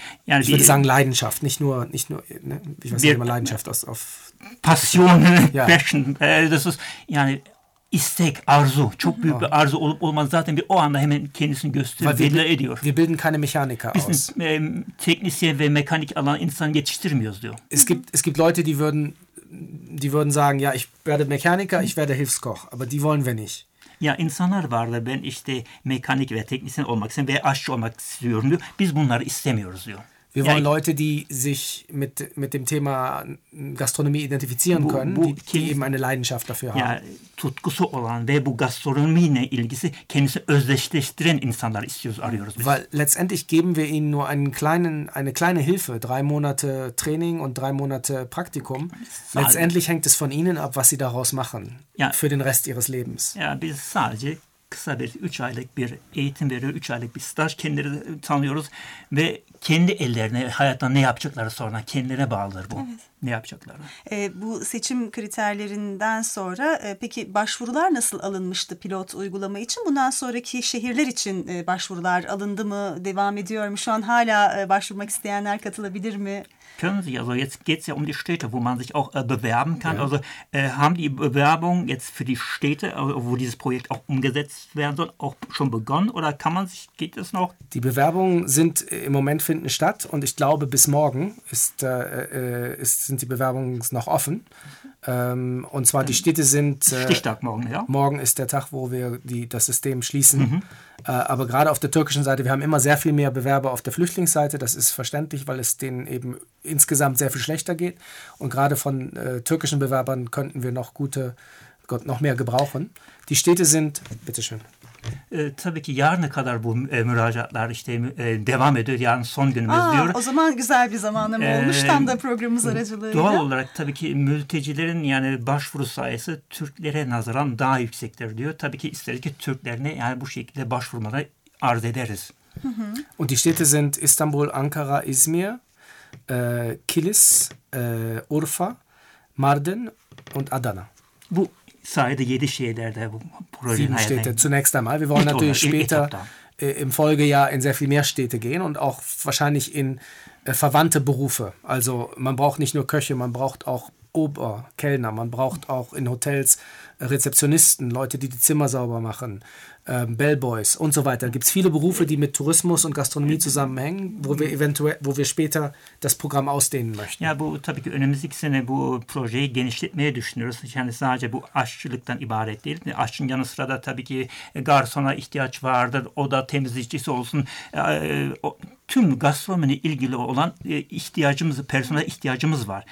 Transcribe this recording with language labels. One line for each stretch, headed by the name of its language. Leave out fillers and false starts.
Turkish: Yani
German: ich würde sagen Leidenschaft, nicht nur, ne? Ich weiß nicht mehr Leidenschaft auf Passion, Passion. Das ist,
Turkish: yani istek, arzu, çok büyük bir arzu olup olmadı zaten bir o anda hemen kendisini gösteriyor, belli ediyor.
German: Wir bilden keine Mechaniker aus.
Turkish: Biz teknisyen ve mekanik alan insan yetiştirmiyoruz diyor.
German: Es gibt Leute, die würden sagen, ja, ich werde Mechaniker, ich werde Hilfskoch, aber die wollen wir nicht.
Turkish: Ya insanlar vardı, ben işte mekanik ve teknisyen olmak istiyorum ve aşçı olmak istiyorum diyor. Biz bunları istemiyoruz diyor.
German: Wir wollen Leute, die sich mit dem Thema Gastronomie identifizieren können, die eben eine Leidenschaft dafür haben. Ja,
Turkish: tutkusu olan ve bu gastronomiyle ilgisi kendisi özdeşleştiren insanlar istiyoruz, arıyoruz biz.
German: Weil letztendlich geben wir ihnen nur einen kleinen, eine kleine Hilfe, 3 Monate Training und 3 Monate Praktikum. Letztendlich hängt es von ihnen ab, was sie daraus machen, ja, für den Rest ihres Lebens.
Turkish: Ja, biz sadece kısa bir 3 aylık bir eğitim veriyor, 3 aylık bir staj kendileri tanıyoruz ve kendi ellerine hayatta ne yapacakları sonra kendilerine bağlıdır bu. Evet. Ne yapacakları? Bu seçim kriterlerinden sonra peki başvurular nasıl alınmıştı pilot uygulama için? Bundan sonraki şehirler için başvurular alındı mı? Devam ediyor mu? Şu an hala başvurmak isteyenler katılabilir mi?
German: Können Sie, also jetzt geht es ja um die Städte, wo man sich auch bewerben kann. Ja. Also haben die Bewerbung jetzt für die Städte, wo dieses Projekt auch umgesetzt werden soll, auch schon begonnen oder kann man sich, geht es noch? Die Bewerbungen sind im Moment finden statt und ich glaube, bis morgen sind die Bewerbungen noch offen. Und zwar die Städte sind... Stichtag morgen, ja. Morgen ist der Tag, wo wir das System schließen. Mhm. Aber gerade auf der türkischen Seite, wir haben immer sehr viel mehr Bewerber auf der Flüchtlingsseite. Das ist verständlich, weil es denen eben insgesamt sehr viel schlechter geht. Und gerade von türkischen Bewerbern könnten wir noch mehr gebrauchen. Die Städte sind... Bitteschön.
Turkish: Tabii ki yarına kadar bu müracaatlar işte devam ediyor. Yani son günümüz diyor. O zaman güzel bir zamanım olmuş tam da programımız aracılığıyla. Doğal olarak tabii ki mültecilerin yani başvuru sayısı Türklere nazaran daha yüksektir diyor. Tabii ki isteriz ki Türklerine yani bu şekilde başvurmaları arz ederiz.
German: Und die Städte sind İstanbul, Ankara, İzmir, Kilis, Urfa, Mardin und Adana.
Turkish: Bu sayede 7 şehirlerde bu projenin hayatında.
German: 7 Städte zunächst einmal. Wir wollen natürlich später im Folgejahr in sehr viel mehr Städte gehen und auch wahrscheinlich in verwandte Berufe. Also man braucht nicht nur Köche, man braucht auch Oberkellner, man braucht auch in Hotels Rezeptionisten, Leute, die die Zimmer sauber machen, Bellboys und so weiter. Da gibt es viele Berufe, die mit Tourismus und Gastronomie zusammenhängen, wo wir später das Programm ausdehnen möchten.
Turkish: Ja, bu tabii ki önümüzdeki sene bu projeyi genişletmeyi düşünüyoruz. Yani sadece bu aşçılıktan ibaret değil. Aşçının yanı sıra da tabii ki garsona ihtiyaç vardır. O da temizlikçisi olsun. Tüm gastronomiyle ilgili olan ihtiyacımız, personel ihtiyacımız var.